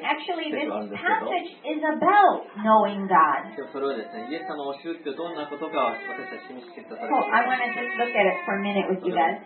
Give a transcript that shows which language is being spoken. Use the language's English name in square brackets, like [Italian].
[Japanese] があるんですけど。 [English] And actually this passage is about knowing God. [Japanese] それはですね、イエス様を知るってどんなことかを私たちに知ってくださる。 [English] Oh, I want to just look at it for a minute with you guys.